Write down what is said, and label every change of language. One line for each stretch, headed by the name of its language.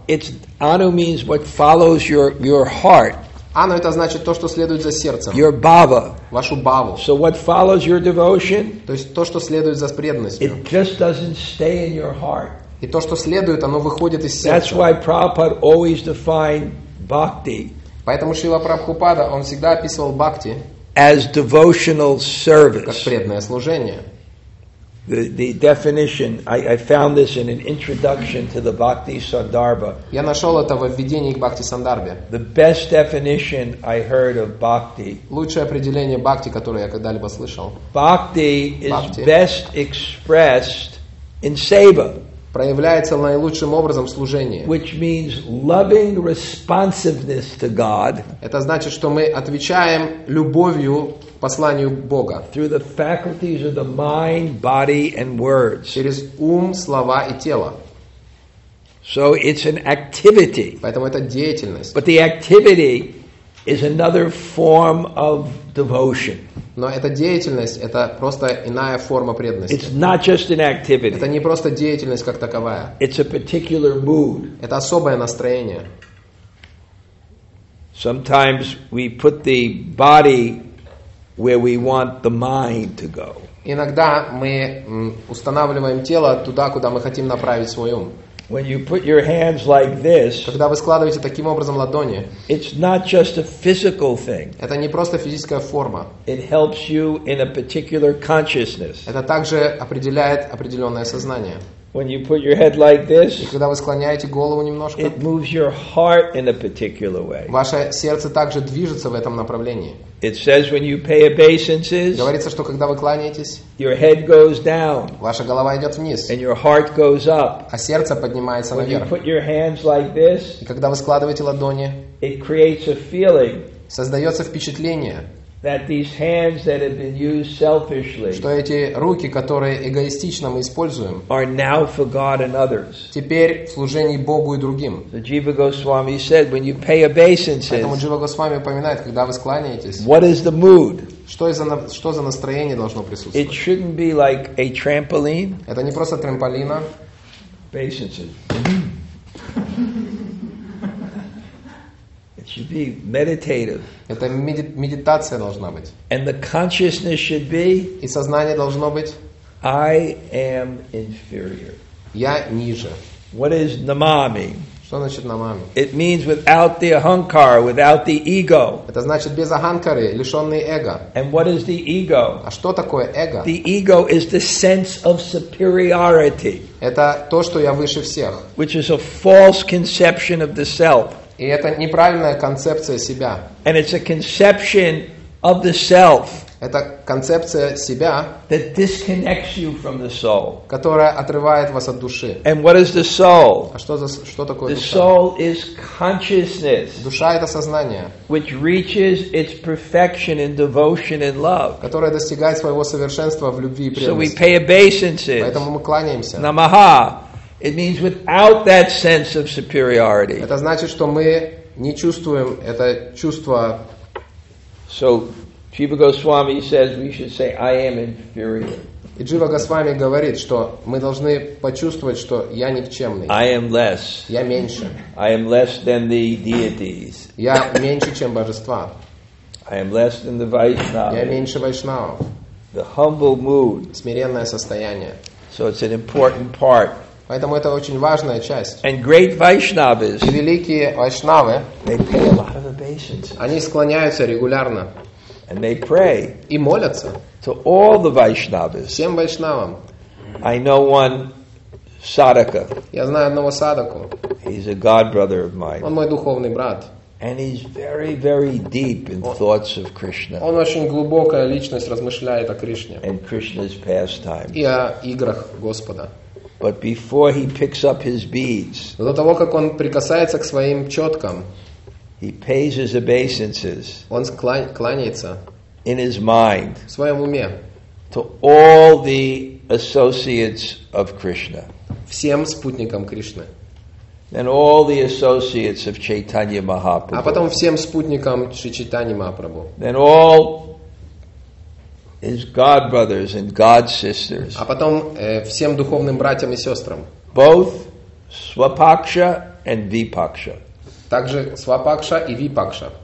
English: It's anu means what follows your heart.
Russian: Ану это значит то, что следует за сердцем.
English: Your bhava.
Russian: Вашу баву.
English: So what follows your devotion?
Russian: То есть то, что следует за преданностью.
English: It just doesn't stay in your heart.
Russian: И то, что следует, оно выходит из сердца.
English: That's why Prabhupada always defined bhakti.
Russian: Поэтому Шрила Прабхупада он всегда описывал бхакти
English: as devotional service.
Russian: Как преданное служение.
English: The definition I found this in an introduction to the Bhakti Sandarbha.
Russian: Я нашел это в введении к Бхакти Сандарбе.
English: The best definition I heard of bhakti.
Russian: Лучшее определение бхакти, которое я когда-либо слышал.
English: Bhakti is best expressed in seva.
Russian: проявляется наилучшим образом в служении.
English: Which means loving responsiveness to God.
Russian: Это значит, что мы отвечаем любовью посланию Бога.
English: Through the faculties of the mind, body, and words.
Russian: Через ум, слова и тело.
English: So it's an activity.
Russian: Поэтому это деятельность.
English: But the activity is another form of devotion.
Russian: Но эта деятельность — это просто иная форма преданности.
English: It's not just an activity.
Russian: Это не просто деятельность как таковая.
English: It's a particular mood.
Russian: Это особое настроение.
English: Sometimes we put the body where we want the mind to go.
Russian: Иногда мы устанавливаем тело туда, куда мы хотим направить свой ум.
English: When you put your hands like this,
Russian: когда вы складываете таким образом ладони,
English: it's not just a physical thing.
Russian: Это не просто физическая форма.
English: It helps you in a particular consciousness.
Russian: Это также определяет определенное сознание.
English: When you put your head like this,
Russian: и когда вы склоняете голову немножко,
English: it moves your heart in a particular way.
Russian: Ваше сердце также движется в этом направлении.
English: It says when you pay obeisances,
Russian: говорится, что когда вы кланяетесь,
English: your head goes down,
Russian: ваша голова идет вниз,
English: and your heart goes up,
Russian: а сердце поднимается
English: when
Russian: наверх.
English: You put your hands like this,
Russian: и когда вы складываете ладони,
English: it creates a feeling,
Russian: создается впечатление,
English: that these hands that have been used selfishly,
Russian: что эти руки, которые эгоистично мы используем,
English: are now for God and others.
Russian: Теперь в служении Богу и другим.
English: So Jiva Goswami said, when you pay obeisances.
Russian: Поэтому Джива Госвами упоминает, когда вы склоняетесь.
English: What is the mood?
Russian: Что за настроение должно присутствовать?
English: It shouldn't be like a trampoline.
Russian: Это не просто трамполина.
English: Obeisances. It should be meditative.
Russian: Это медитация должна быть.
English: And the consciousness should be.
Russian: И сознание должно быть.
English: I am inferior.
Russian: Я ниже.
English: What is namami?
Russian: Что значит намами?
English: It means without the ahankar, without the ego.
Russian: Это значит без аханкары, лишённый эго.
English: And what is the ego?
Russian: А что такое эго?
English: The ego is the sense of superiority.
Russian: Это то, что я выше всех.
English: Which is a false conception of the self.
Russian: И это неправильная концепция себя.
English: And it's a conception of the self.
Russian: Это концепция себя,
English: that disconnects you from the soul.
Russian: Которая отрывает вас от души.
English: And what is the soul?
Russian: А что такое душа?
English: The soul is consciousness.
Russian: Душа — это сознание.
English: Which reaches its perfection in devotion and love.
Russian: Которая достигает своего совершенства в любви и преданности.
English: So we pay obeisances.
Russian: Поэтому мы кланяемся. Намаха.
English: It means without that sense of superiority.
Russian: Это значит, что мы не чувствуем это чувство.
English: So, Jiva Goswami says we should say, "I am inferior."
Russian: И Джива Госвами говорит, что мы должны почувствовать, что я никчемный.
English: I am less.
Russian: Я меньше.
English: I am less than the deities.
Russian: Я меньше, чем божества.
English: I am less than the Vaishnavas.
Russian: Я меньше вайшнавов.
English: The humble mood.
Russian: Смиренное состояние.
English: So it's an important part.
Russian: Поэтому это очень важная часть.
English: And great Vaishnavas,
Russian: и великие вайшнавы,
English: they pay a lot of obeisances.
Russian: Они склоняются регулярно.
English: And they pray
Russian: и молятся
English: to all the Vaishnavas.
Russian: Всем вайшнавам.
English: I know one sadhaka.
Russian: Я знаю одного садаку.
English: He's a god brother of mine.
Russian: Он мой духовный брат.
English: And he's very, very deep in thoughts of Krishna.
Russian: Он очень глубокая личность, размышляет о Кришне.
English: And Krishna's pastimes.
Russian: И о играх Господа.
English: But before he picks up his beads,
Russian: до того, как он прикасается к своим четкам,
English: he pays his obeisances,
Russian: он кланяется,
English: in his mind,
Russian: в своем уме,
English: to all the associates of Krishna,
Russian: всем спутникам Кришны,
English: and all the associates of Chaitanya Mahaprabhu,
Russian: а потом всем спутникам Шри Чайтаньи Махапрабху,
English: then all his God brothers and God sisters.
Russian: А потом всем духовным братьям и сестрам.
English: Both Swapaksha and Vipaksha.
Russian: Также Свапакша и Випакша.